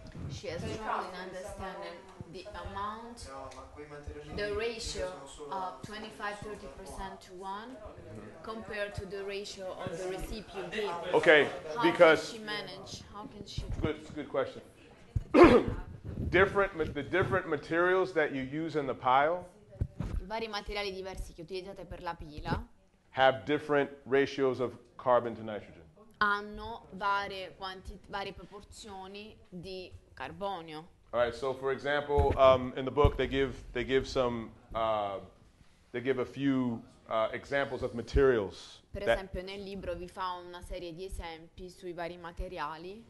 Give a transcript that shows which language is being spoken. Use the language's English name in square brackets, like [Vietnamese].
[English] She has trouble in understanding the amount, the ratio of 25-30% to one compared to the ratio of the recipient. Okay, because how can she manage? How can she? Good question. the different materials that you use in the pile. [Italian] Vari materiali diversi che utilizzate per la pila. [English] Have different ratios of carbon to nitrogen. [Italian] Hanno varie varie proporzioni di carbonio. [English] All right. So, for example, in the book they give a few examples of materials. [Italian] Per esempio, nel libro vi fa una serie di esempi sui vari materiali.